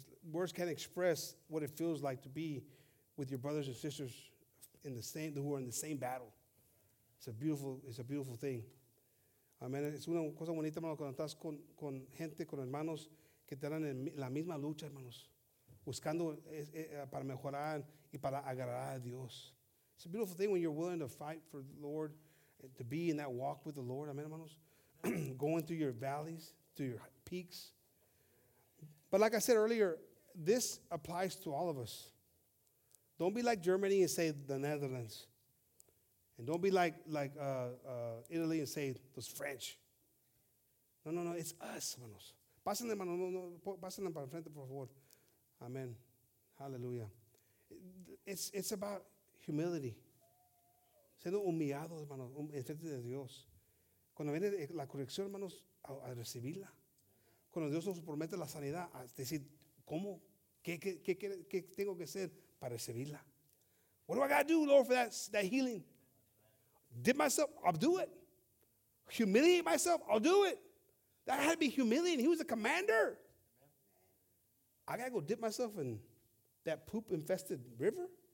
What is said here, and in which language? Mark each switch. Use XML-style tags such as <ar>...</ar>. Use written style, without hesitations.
<en>Words can't express what it feels like to be with your brothers and sisters in the same, who are in the same battle. It's a beautiful thing. Amen.</en> <es>Es una cosa bonita, hermanos, cuando estás con gente, con hermanos que están en la misma lucha, hermanos. Buscando para mejorar y para agradar a Dios.</es> <en>It's a beautiful thing when you're willing to fight for the Lord, to be in that walk with the Lord. Amen, hermanos. Going through your valleys, through your peaks. But like I said earlier, this applies to all of us. Don't be like Germany and say the Netherlands. And don't be like Italy and say those French.</en> <es>No.</es> <en>It's us,</en> <es>hermanos. Pásenle, hermanos. Pásenle para frente, por favor. Amen. Hallelujah.</es> <en>It's about humility.</en> <es>Siendo humillado, hermanos, en frente de Dios. Cuando viene la corrección, hermanos, a recibirla. Cuando Dios nos promete la sanidad, a decir, ¿cómo? ¿Qué tengo que hacer para recibirla?</es> <en>What do I got to do, Lord, for that healing? Dip myself, I'll do it. Humiliate myself, I'll do it. That had to be humiliating. He was a commander. I got to go dip myself in that poop-infested river?</en>